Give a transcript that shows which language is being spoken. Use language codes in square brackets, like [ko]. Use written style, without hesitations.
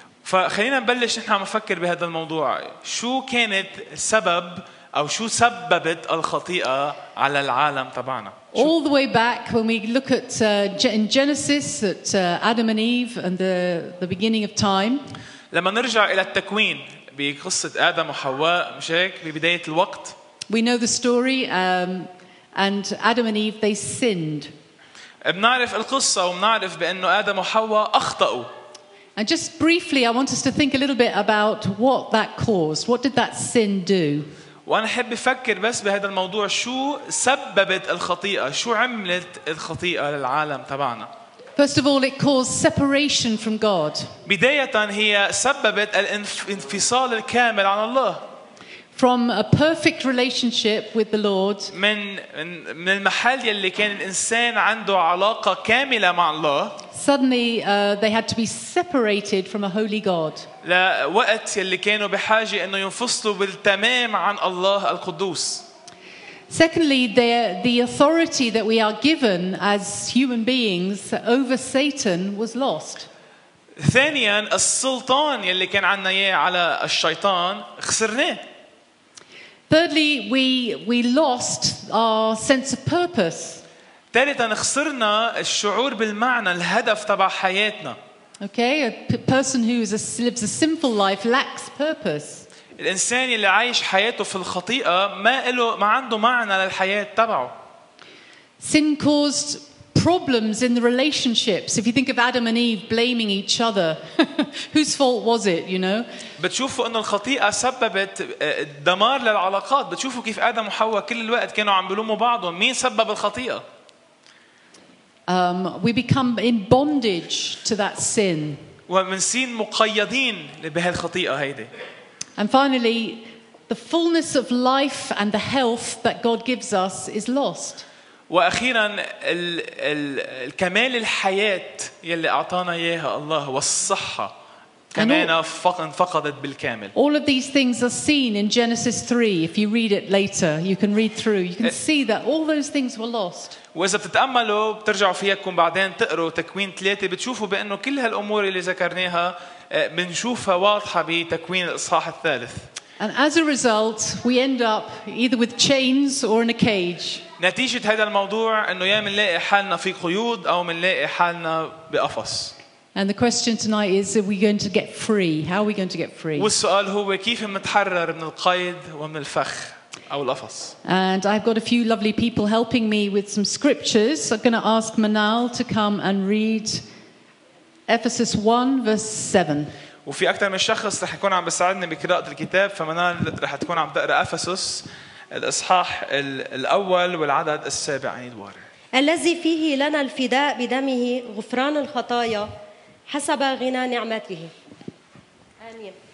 [ar] فخلينا نبلش نحن عم نفكر بهذا الموضوع. شو كانت سبب أو شو سببت الخطيئة على العالم طبعاً؟ [en] All the way back when we look at in Genesis at Adam and Eve and the beginning of time. [ar] لما نرجع إلى التكوين بقصة آدم وحواء مش هيك ببداية الوقت. [en] We know the story and Adam and Eve they sinned. [ar] بنعرف القصة وبنعرف بأنه آدم وحواء أخطأوا. [en] And just briefly, I want us to think a little bit about what that caused. What did that sin do? [ar] وأنا حب أفكر بس بهذا الموضوع شو سببت الخطيئة؟ شو عملت الخطيئة للعالم تبعنا؟ [en] First of all, it caused separation from God. [ar] بداية هي سببت الانفصال الكامل عن الله. [en] From a perfect relationship with the Lord. [ar] من المحل يلي كان الإنسان عنده علاقة كاملة مع الله. [en] Suddenly, they had to be separated from a holy God. [ar] لوقت يلي كانوا بحاجة إنه ينفصلوا بالتمام عن الله القدوس. [en] Secondly, the authority that we are given as human beings over Satan was lost. [ar] ثانيا السلطان يلي كان عنا إياه على الشيطان خسرناه. [en] Thirdly, we lost our sense of purpose. [ar] ثالثا خسرنا الشعور بالمعنى الهدف تبع حياتنا. [en] Okay, a person who lives a sinful life lacks purpose. [ar] الإنسان اللي عايش حياته في الخطيئة ما عنده معنى للحياة تبعه. [en] Sin caused problems in the relationships. If you think of Adam and Eve blaming each other, whose fault was it? You know. [ar] بتشوفوا إنه الخطيئة سببت دمار للعلاقات. بتشوفوا كيف آدم وحواء كل الوقت كانوا عم بلوموا بعضهم. مين سبب الخطيئة؟ [en] We become in bondage to that sin. [ar] ومنسين مقيدين بهالخطيئة هيدي. [en] And finally, the fullness of life and the health that God gives us is lost. [ar] وأخيرا الكمال الحياة يلي أعطانا إياها الله والصحة كمان فقدت بالكامل. [en] All of these things are seen in Genesis 3. If you read it later, you can read through. You can see that all those things were lost. [ar] وإذا بتتأملوا بترجعوا فيكم بعدين تقروا تكوين 3 بتشوفوا بأنه كل هالأمور اللي ذكرناها بنشوفها واضحة بتكوين الإصحاح الثالث. [en] And as a result, we end up either with chains or in a cage. [ar] نتيجة هذا الموضوع إنه يا منلاقي حالنا في قيود أو منلاقي حالنا بقفص. [en] And the question tonight is: Are we going to get free? How are we going to get free? [ar] والسؤال هو كيف نتحرر من القيد ومن الفخ أو القفص. [en] And I've got a few lovely people helping me with some scriptures. I'm going to ask Manal to come and read Ephesians 1 verse 7. [ar] وفي أكثر من شخص رح يكون عم بساعدني بقراءة الكتاب فمنال رح تكون عم تقرأ أفسس الإصحاح الأول والعدد السابع عن الدوار الذي فيه لنا الفداء بدمه غفران الخطايا حسب غنى نعمته آمين.